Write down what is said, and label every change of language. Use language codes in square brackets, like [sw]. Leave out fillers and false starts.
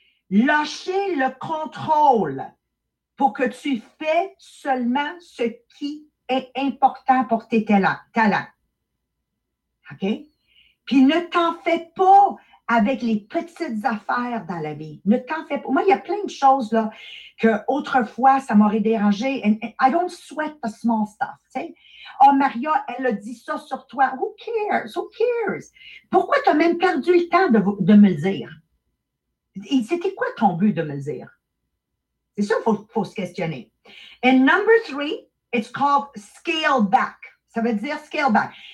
[fr] Lâcher le contrôle pour que tu fais seulement ce qui est important pour tes talents. OK? Puis ne t'en fais pas avec les petites affaires dans la vie. Ne t'en fais pas. Moi, il y a plein de choses là que autrefois ça m'aurait dérangé. [en] And I don't sweat the small stuff, [fr] tu sais. Oh, Maria, elle a dit ça sur toi. [en] Who cares? Who cares? [fr] Pourquoi tu as même perdu le temps de me le dire? Et c'était quoi ton but de me le dire? C'est ça qu'il faut se questionner. [en] And number three, it's called scale back. [fr] Ça veut dire [en] scale back.